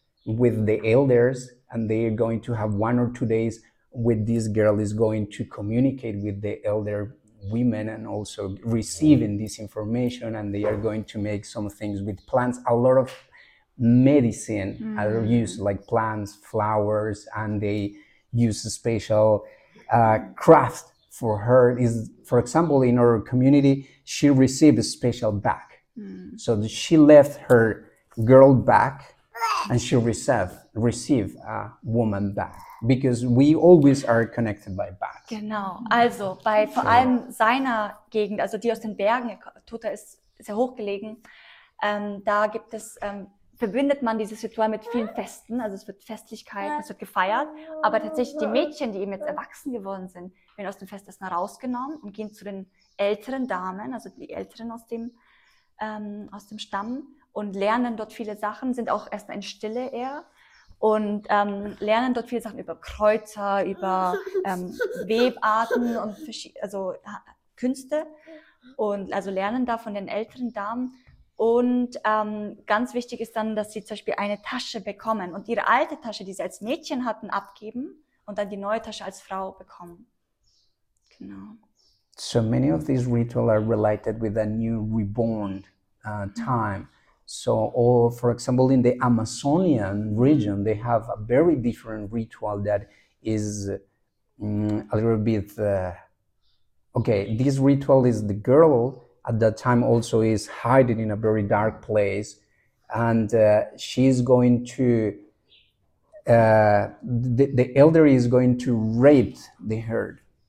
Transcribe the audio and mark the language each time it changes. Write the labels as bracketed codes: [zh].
[en] with the elders, and they are going to have 1 or 2 days with this girl is going to communicate with the elder women and also receiving this information, and they are going to make some things with plants, a lot of medicine are used, like plants, flowers, and they use a special craft for her. Is, for example, in our community, she received a special bag. So she left her girl bag and she received a woman bag, because we always are connected by bag. [de] Genau, also bei vor allem seiner Gegend, also die aus den Bergen, Tota ist sehr hochgelegen, da gibt es, verbindet man dieses Ritual mit vielen Festen, also es wird Festlichkeit, es wird gefeiert, aber tatsächlich die Mädchen, die eben jetzt erwachsen geworden sind, werden aus dem Festessen rausgenommen und gehen zu den älteren Damen, also die Älteren aus dem Stamm, und lernen dort viele Sachen, sind auch erstmal in Stille eher, und lernen dort viele Sachen über Kräuter, über Webarten und also Künste, und also lernen da von den älteren Damen. Und ganz wichtig ist dann, dass sie zum Beispiel eine Tasche bekommen und ihre alte Tasche, die sie als Mädchen hatten, abgeben und dann die neue Tasche als Frau bekommen. [en] No. So many of these rituals are related with a new reborn time. So, or for example, in the Amazonian region, they have a very different ritual that is a little bit, okay, this ritual is the girl at that time also is hiding in a very dark place, and she's going to, the elder is going to rape the herd.